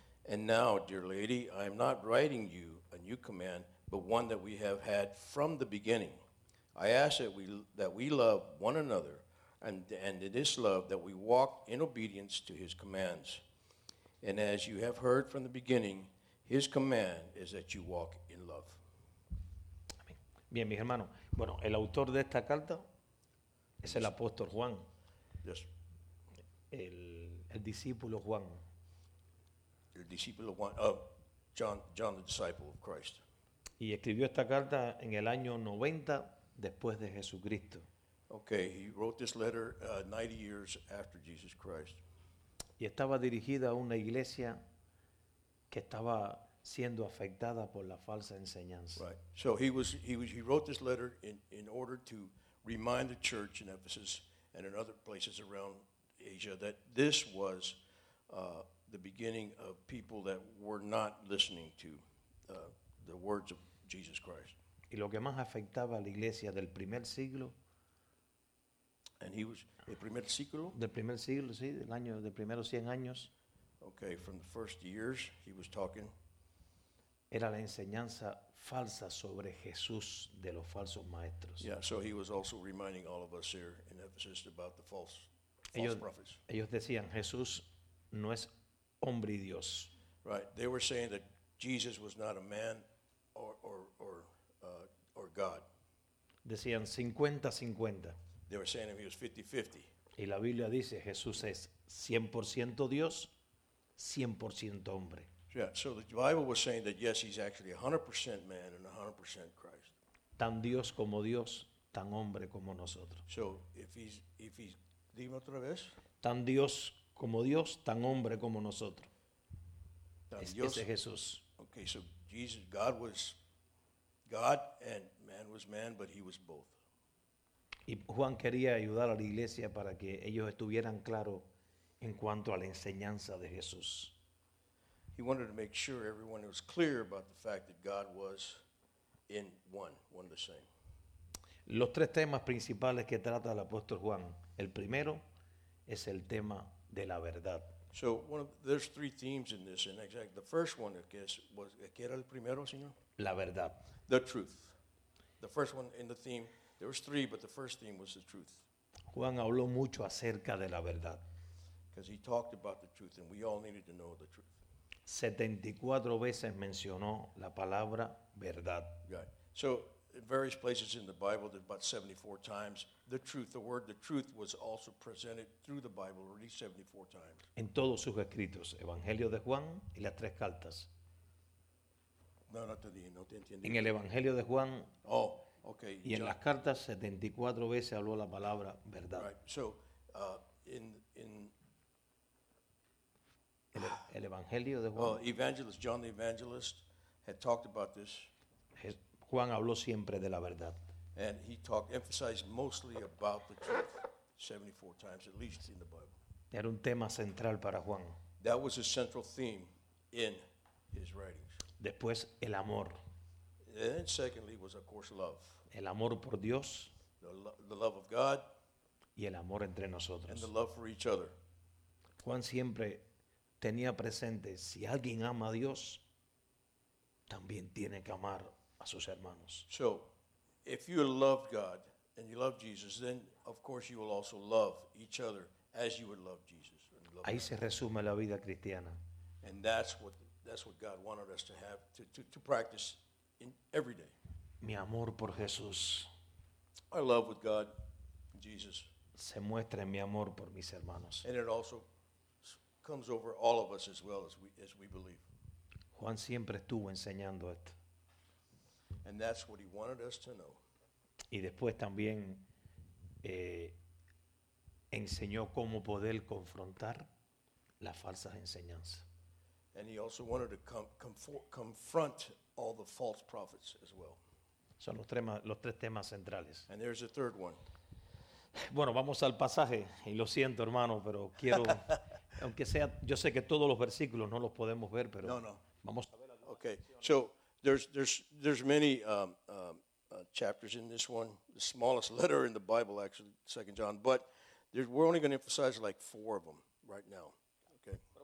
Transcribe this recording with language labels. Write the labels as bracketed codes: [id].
[en] And now, dear lady, I am not writing you a new command, but one that we have had from the beginning. I ask that we love one another, and in this love that we walk in obedience to his commands. And as you have heard from the beginning, his command is that you walk in love. [es] Bien, mis hermanos. Bueno, el autor de esta carta Es el apóstol Juan. [en] Yes. [es] El discípulo Juan. El discípulo Juan. [en] Oh, John the disciple of Christ. [es] Y escribió esta carta en el año 90 después de Jesucristo. [en] Okay, he wrote this letter 90 years after Jesus Christ. [es] Y estaba dirigida a una iglesia que estaba siendo afectada por la falsa enseñanza. [en] Right. So he wrote this letter in order to remind the church in Ephesus and in other places around Asia that this was the beginning of people that were not listening to the words of Jesus Christ. [es] Y lo que más afectaba a la iglesia del primer siglo. [en] And he was [es] el primer siglo. Del primer siglo, sí, del año de primeros 100 años. [en] Okay, from the first years he was talking. [es] Era la enseñanza falsa sobre Jesús de los falsos maestros. [en] Yeah, so he was also reminding all of us here in Ephesus about the false prophets. [es] Ellos decían, Jesús no es hombre y Dios. [en] Right, they were saying that Jesus was not a man or God. [es] Decían 50-50. [en] They were saying he was 50-50. [es] Y la Biblia dice, Jesús es 100% Dios, 100% hombre. [en] Yeah, so the Bible was saying that, yes, he's actually 100% man and 100% Christ. [es] Tan Dios como Dios, tan hombre como nosotros. [en] So, if he's, [es] dime otra vez. Tan Dios, tan hombre como nosotros. Ese es Jesús. [en] Okay, so Jesus, God was God and man was man, but he was both. [es] Y Juan quería ayudar a la iglesia para que ellos estuvieran claros en cuanto a la enseñanza de Jesús. [en] He wanted to make sure everyone was clear about the fact that God was in one the same. [es] Los tres temas principales que trata el apóstol Juan. El primero es el tema de la verdad. [en] So there's three themes in this. In fact, the first one, I guess, was, [es] ¿qué era el primero, señor? La verdad. [en] The truth. The first one in the theme, there was three, but the first theme was the truth. [es] Juan habló mucho acerca de la verdad. [en] Because he talked about the truth, and we all needed to know the truth. [es] 74 veces mencionó la palabra verdad. [en] Right. So, in various places in the Bible, there's about 74 times the truth, the word the truth was also presented through the Bible already 74 times. [es] En todos sus escritos, Evangelio de Juan y las tres cartas. No te entiendo. En el Evangelio de Juan. [en] Oh, okay. [es] Y en las cartas 74 veces habló la palabra verdad. [en] Right. So, in [es] el Evangelio de Juan. [en] Evangelist John the Evangelist had talked about this. [es] Juan habló siempre de la verdad. [en] And he talked, emphasized mostly about the truth 74 times at least in the Bible. [es] Era un tema central para Juan. [en] That was a central theme in his writings. [es] Después el amor. [en] And secondly was of course love. [es] El amor por Dios. [en] The love of God. [es] Y el amor entre nosotros. [en] And the love for each other. [es] Juan siempre tenía presente, si alguien ama a Dios, también tiene que amar a sus hermanos. [en] So, if you love God and you love Jesus, then of course you will also love each other as you would love Jesus. Love [es] ahí God. Se resume la vida cristiana. [en] And that's what God wanted us to have, to practice in every day. [es] Mi amor por Jesús. [en] Our love with God, Jesus. [es] Se muestra en mi amor por mis hermanos. [en] And it also comes over all of us as well as we believe. [es] Juan siempre estuvo enseñando esto. [en] And that's what he wanted us to know. [es] Y después también enseñó cómo poder confrontar las falsas enseñanzas. [en] And he also wanted to confront all the false prophets as well. [es] Son los tres temas centrales. [en] And there's a third one. [es] Bueno, vamos al pasaje y lo siento, hermano, pero quiero aunque sea, yo sé que todos los versículos no los podemos ver, pero no. Vamos. [en] Okay, so there's many chapters in this one, the smallest letter in the Bible, actually, Second John, but we're only going to emphasize like four of them right now. Okay.